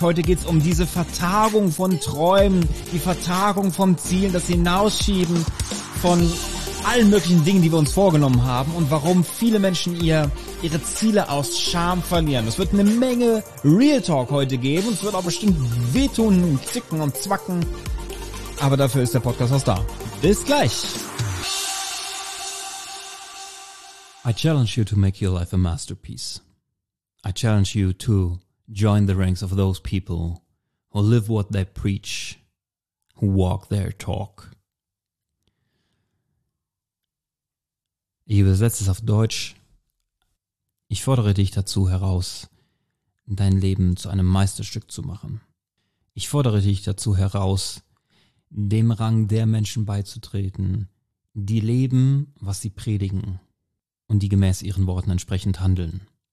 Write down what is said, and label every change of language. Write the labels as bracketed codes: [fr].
[de] Heute geht's um diese Vertagung von Träumen, die Vertagung von Zielen, das Hinausschieben von allen möglichen Dingen, die wir uns vorgenommen haben und warum viele Menschen ihre Ziele aus Scham verlieren. Es wird eine Menge Real Talk heute geben und es wird auch bestimmt wehtun, zicken und zwacken. Aber dafür ist der Podcast auch da. Bis gleich! [en] I challenge you to make your life a masterpiece. I challenge you to join the ranks of those people who live what they preach, who walk their talk. [de] Ich übersetze es auf Deutsch. Ich fordere dich dazu heraus, dein Leben zu einem Meisterstück zu machen. Ich fordere dich dazu heraus, dem Rang der Menschen beizutreten, die leben, was sie predigen und die gemäß ihren Worten entsprechend handeln.